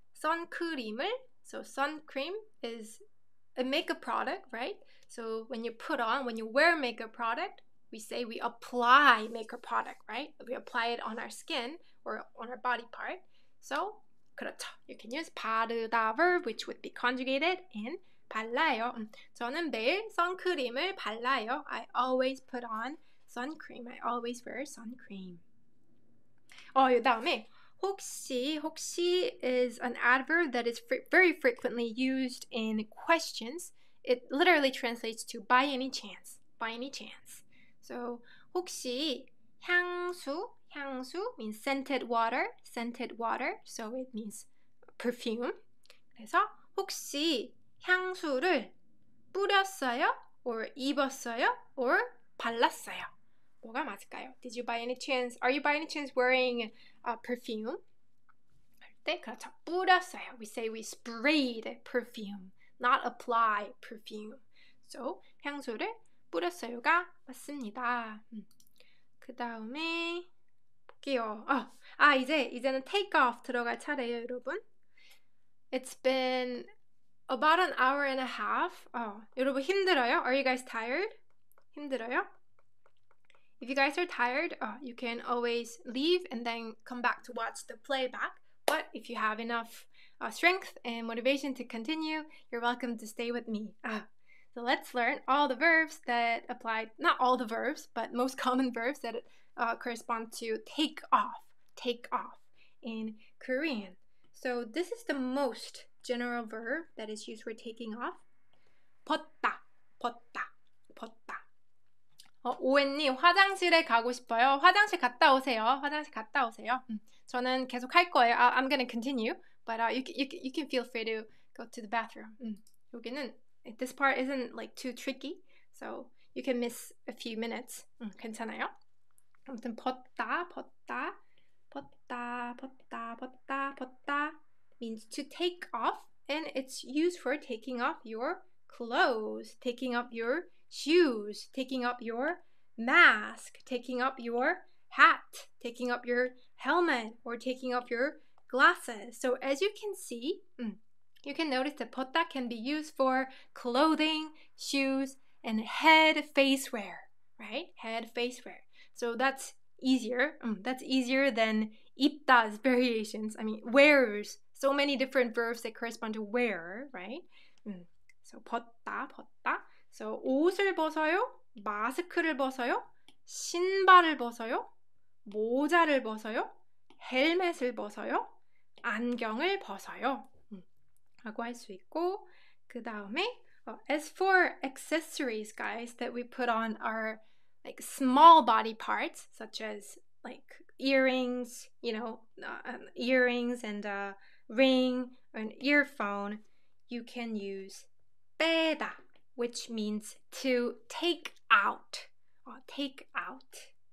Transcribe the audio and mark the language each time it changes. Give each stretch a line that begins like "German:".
Korean: 선크림을,
English: so sun cream is a makeup product, right? So when you put on, when you wear makeup product, we say we apply makeup product, right? We apply it on our skin or on our body part. So
Korean: 그렇죠.
English: You can use 바르다 verb, which would be conjugated in 발라요.
Korean: 저는 매일 선크림을 발라요.
English: I always put on sun cream. I always wear sun cream.
Korean: 요 다음에
English: 혹시 is an adverb that is very frequently used in questions. It literally translates to by any chance. So 혹시 향수 means scented water. So it means perfume.
Korean: 그래서 혹시 향수를 뿌렸어요?
English: Or
Korean: 입었어요? Or 발랐어요? 뭐가 맞을까요?
English: Did you by any chance, are you by any chance wearing a perfume?
Korean: 할 때 그렇죠. 뿌렸어요.
English: We say we sprayed perfume, not apply perfume.
Korean: So 향수를 뿌렸어요가 맞습니다. 그 다음에 볼게요. 이제는 take off 들어갈 차례예요, 여러분.
English: It's been about an hour and a half.
Korean: 여러분 힘들어요?
English: Are you guys tired?
Korean: 힘들어요?
English: If you guys are tired, you can always leave and then come back to watch the playback. But if you have enough strength and motivation to continue, you're welcome to stay with me. So let's learn all the verbs that apply, not all the verbs, but most common verbs that correspond to take off in Korean. So this is the most general verb that is used for taking off.
Korean: 벗다, 벗다, 벗다. 오웬님, 화장실에 가고 싶어요. 화장실 갔다 오세요. 화장실 갔다 오세요. 저는 계속 할 거예요.
English: I'm going to continue, but you can feel free to go to the bathroom.
Korean: 여기는,
English: this part isn't like too tricky, so you can miss a few minutes.
Korean: 괜찮아요?
English: 아무튼 벗다, 벗다, 벗다, 벗다, 벗다, 벗다 means to take off, and it's used for taking off your clothes, taking off your shoes, taking up your mask, taking up your hat, taking up your helmet, or taking up your glasses. So as you can see, you can notice that 벗다 can be used for clothing, shoes, and head face wear, right? Head face wear. So that's easier. That's easier than 입다's variations. I mean, wearers. So many different verbs that correspond to wear, right?
Korean: So 벗다, 벗다. So 옷을 벗어요, 마스크를 벗어요, 신발을 벗어요, 모자를 벗어요, 헬멧을 벗어요, 안경을 벗어요. 라고 할 수 있고, 그 다음에
English: as for accessories, guys, that we put on our like small body parts, such as like earrings, you know, earrings and a ring, an earphone, you can use 빼다, which means to take out, take out.